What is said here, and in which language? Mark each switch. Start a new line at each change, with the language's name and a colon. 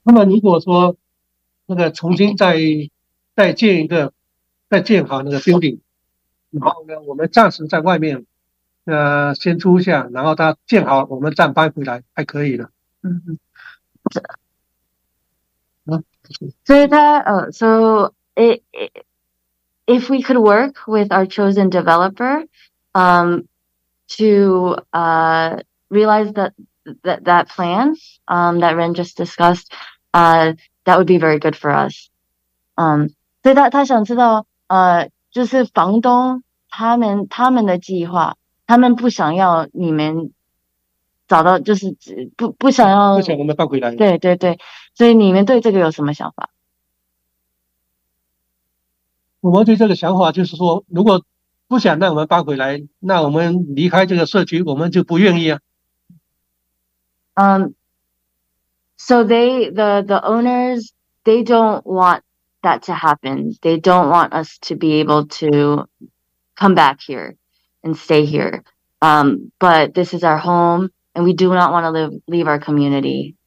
Chinese: 那么如果说重新再建好那个 building， 然后呢我们暂时在外面先租一下，然后它建好我们再搬回来还可以的。所以它
English: if we could work with our chosen developer realize that plan that Ren just discussed, that would be very good for us.
Chinese: 所以他想知道，就是房东他们的计划，他们不想要你们找到就是 不想要不想我们放回来，对对对，所以你们对这个有什么想法？我们对这个想法就是说，如果不想让我们搬回来，那我们离开这个社区，我们就不愿意啊。
English: So the owners, they don't want that to happen. They don't want us to be able to come back here and stay here. But this is our home, and we do not want to leave our community.